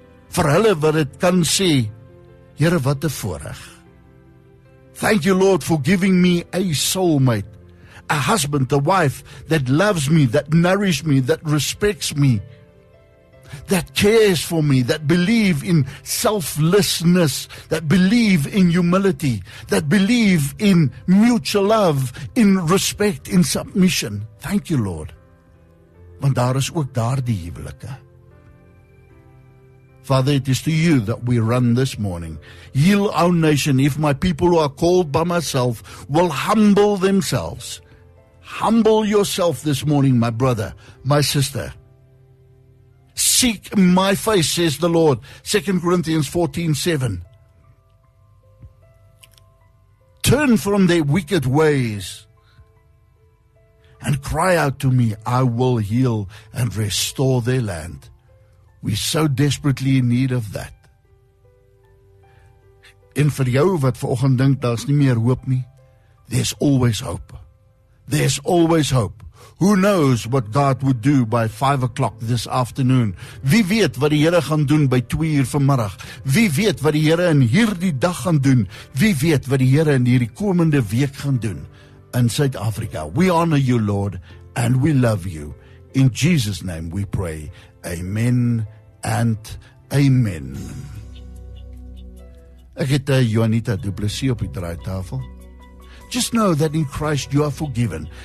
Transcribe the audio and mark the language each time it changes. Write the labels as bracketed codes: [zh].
[af] Vir hulle wat het kan sê, Here, wat 'n voorreg. [en] Thank you, Lord, for giving me a soulmate, a husband, a wife that loves me, that nourishes me, that respects me, that cares for me, that believe in selflessness, that believe in humility, that believe in mutual love, in respect, in submission. Thank you, Lord. [af] Want daar is ook daar die huwelike. [en] Father, it is to you that we run this morning. Heal our nation if my people who are called by myself will humble themselves. Humble yourself this morning, my brother, my sister. Seek my face, says the Lord. 2 Corinthians 14:7. Turn from their wicked ways and cry out to me. I will heal and restore their land. We so desperately in need of that. [af] En vir jou wat vanoggend dink daar's nie meer hoop nie, [en] there's always hope. There's always hope. Who knows what God would do by 5 o'clock this afternoon? [af] Wie weet wat die Here gaan doen by 2 uur vanmiddag? Wie weet wat die Here in hierdie dag gaan doen? Wie weet wat die Here in hierdie komende week gaan doen in Suid-Afrika? [en] We honor you, Lord, and we love you. In Jesus' name we pray. Amen and amen. [af] Ek het Juanita Duplessis op die draaitafel. [en] Just know that in Christ you are forgiven.